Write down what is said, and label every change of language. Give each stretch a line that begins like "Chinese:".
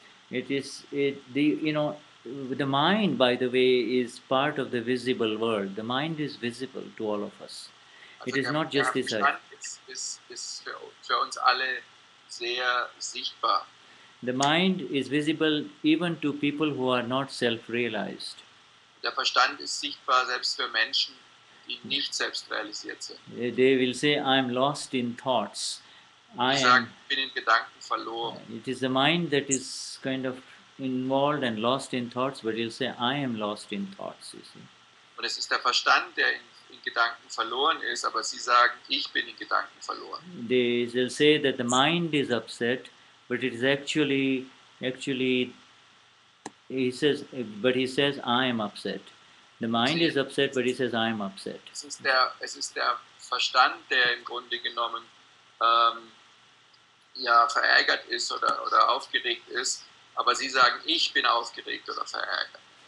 English: The mind, by the way, is part of the visible world. The mind is visible to all of us. It is not just this earth. The mind is visible even to people who are not self-realized.
German: Der Verstand ist sichtbar selbst für Menschen, die nicht selbst realisiert sind.
English: They will say, "I am lost in thoughts."
German: Bin in Gedanken verloren.
English: It is the mind that is kind of involved and lost in thoughts, but he'll say, "I am lost in thoughts." You see.
German: Und es ist der Verstand, der in Gedanken verloren ist, aber sie sagen, ich bin in Gedanken verloren.
English: They'll say that the mind is upset, but it is actually, he says, "I am upset." The mind is upset, but he says, "I am upset."
German: Es ist der Verstand, der im Grunde genommen verärgert ist oder aufgeregt ist. Aber sie sagen, ich bin aufgeregt oder verärgert.